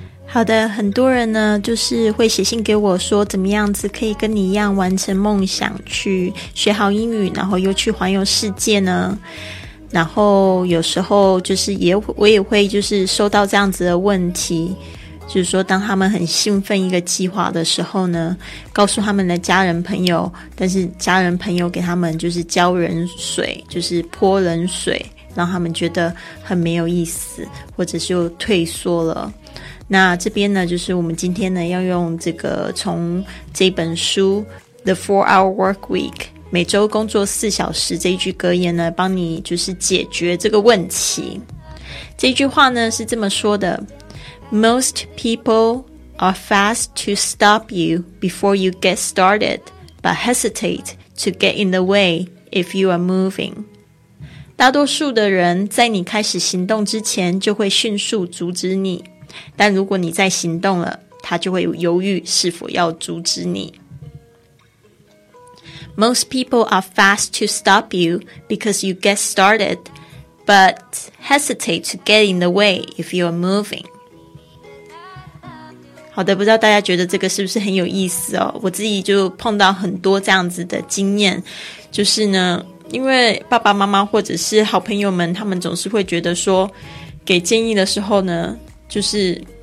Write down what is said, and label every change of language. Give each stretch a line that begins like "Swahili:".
Chinese: 好的，很多人呢就是会写信给我说怎么样子可以跟你一样完成梦想去学好英语然后又去环游世界呢，然后有时候就是我也会就是收到这样子的问题，就是说当他们很兴奋一个计划的时候呢，告诉他们的家人朋友，但是家人朋友给他们就是浇冷水，就是泼冷水，让他们觉得很没有意思，或者是又退缩了。那这边呢就是我们今天呢要用这个从这本书 The 4-Hour Work Week 每周工作四小时这一句格言呢帮你就是解决这个问题。这句话呢是这么说的，
English: Most people are fast to stop you before you get started but hesitate to get in the way if you are moving。
Chinese: 大多数的人在你开始行动之前就会迅速阻止你，但如果你在行动了，他就会犹豫是否要阻止你。
English: Most people are fast to stop you because you get started but hesitate to get in the way if you are moving。
Chinese: 好的，不知道大家觉得这个是不是很有意思哦，我自己就碰到很多这样子的经验，就是呢因为爸爸妈妈或者是好朋友们他们总是会觉得说给建议的时候呢就是